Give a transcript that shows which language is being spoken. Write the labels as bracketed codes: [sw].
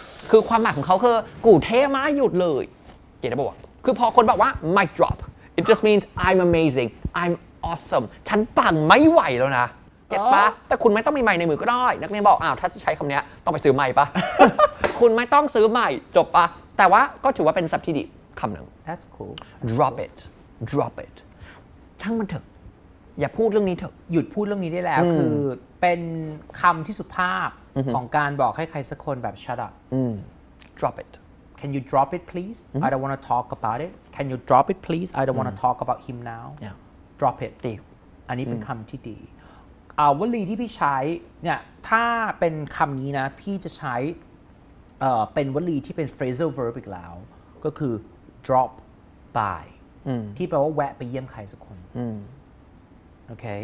[th] คือความหมายของเขาคือกูเท่มากหยุดเลยเขียนบอกว่าคือพอคนบอกว่า mic drop [en] it just means I'm amazing I'm awesome [th] ฉันปังไม่ไหวแล้วนะเก็ตปะแต่คุณไม่ต้องมีไมค์ในมือก็ได้นักเรียนบอกอ้าวถ้าจะใช้คำนี้ต้องไปซื้อไมค์ปะคุณไม่ต้องซื้อไมค์จบปะแต่ว่าก็ถือว่าเป็นสับที่ดีคำหนึ่ง [en] That's cool drop it drop it [th] ช่างมันเถอะอย่าพูดเรื่องนี้เถอะ หยุดพูดเรื่องนี้ได้แล้วคือเป็นคำที่สุภาพของการบอกให้ใครสักคนแบบ [en] shut up drop it can you drop it please I don't want to talk about it can you drop it please I don't want to talk about him now drop it [th] ดี อันนี้เป็นคำที่ดีอาวลีที่พี่ใช้เนี่ยถ้าเป็นคำนี้นะพี่จะใช้เป็นวลีที่เป็น phrasal verb อีกแล้วก็คือ drop by ที่แปลว่าแวะไปเยี่ยมใครสักคนโอเค